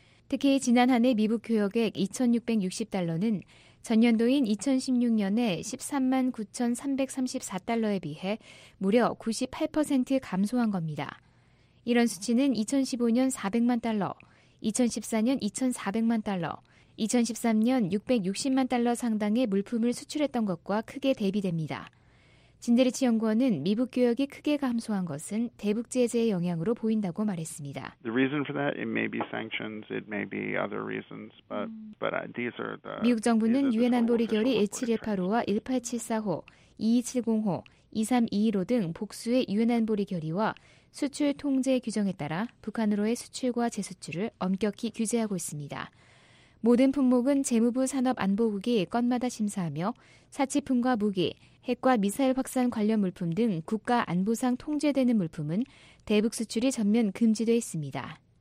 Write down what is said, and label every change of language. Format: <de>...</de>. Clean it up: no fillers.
<ko>특히 지난 한 해 미북 교역액 $2,660는 전년도인 2016년에 $139,334에 비해 무려 98% 감소한 겁니다. 이런 수치는 2015년 $400만, 2014년 2,400만 달러, 2013년 660만 달러 상당의 물품을 수출했던 것과 크게 대비됩니다. 진데리치 연구원은 미국 교역이 크게 감소한 것은 대북 제재의 영향으로 보인다고 말했습니다.</ko> <en>The reason for that, it may be sanctions, it may be other reasons, but these are the</en> <ko>미국 정부는 유엔 안보리 결의 1718호와 1874호, 2270호, 2321호 등 복수의 유엔 안보리 결의와 수출 통제 규정에 따라 북한으로의 수출과 재수출을 엄격히 규제하고 있습니다. 모든 품목은 재무부 산업안보국이 건마다 심사하며 사치품과 무기, 핵과 미사일 확산 관련 물품 등 국가 안보상 통제되는 물품은 대북 수출이 전면 금지되어 있습니다.</ko>